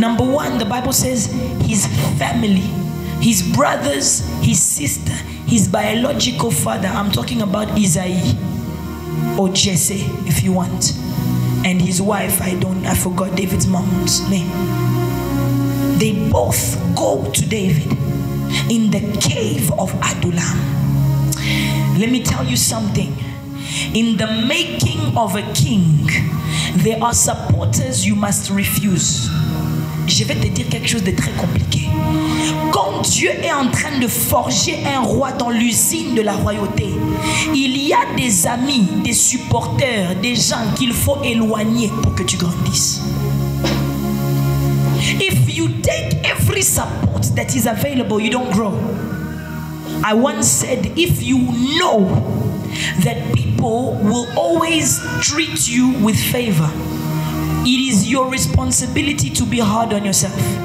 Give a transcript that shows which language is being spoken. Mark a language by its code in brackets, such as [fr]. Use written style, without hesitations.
[en] Number one, the Bible says his family, his brothers, his sister, his biological father, I'm talking about Isai or Jesse if you want, and his wife, I forgot David's mom's name. They both go to David in the cave of Adullam. Let me tell you something. In the making of a king, there are supporters you must refuse. [fr] Je vais te dire quelque chose de très compliqué. Quand Dieu est en train de forger un roi dans l'usine de la royauté, il y a des amis, des supporters, des gens qu'il faut éloigner pour que tu grandisses. [en] If you take every support that is available, you don't grow. I once said, if you know that people will always treat you with favor, it is your responsibility to be hard on yourself.